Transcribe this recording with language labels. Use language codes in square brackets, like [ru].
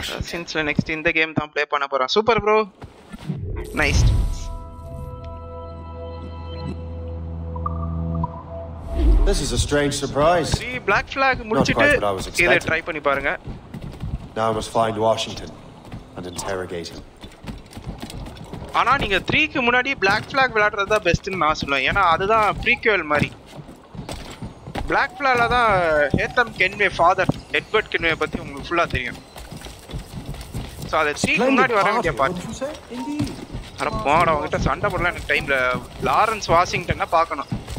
[en] Since the next in the game [ta] தான் play பண்ண போறேன். Super bro. [en] Nice. This is a strange surprise. [ta] See, Black Flag முடிச்சிட்டு இதை try பண்ணி பாருங்க. [en] Now I must find Washington and interrogate him. [ta] ஆனா நீங்க 3 க்கு முன்னாடி Black Flag விளையாடுறது தான் பெஸ்ட் னு நான் சொல்றேன். ஏன்னா அதுதான் ப்ரீக்வல் மாதிரி. Black Flag ல தான் ஹேத்தம் கென்வே ஃாதர் எட்வர்ட் கென்வே பத்தி உங்களுக்கு ஃபுல்லா தெரியும். சோ அதை 3 க்கு முன்னாடி வரணும்னு கேட்பாங்க. அட போடா உங்கட்ட சண்டை போடலாம் இந்த டைம்ல லாரன்ஸ் வாஷிங்டன்ன பார்க்கணும்.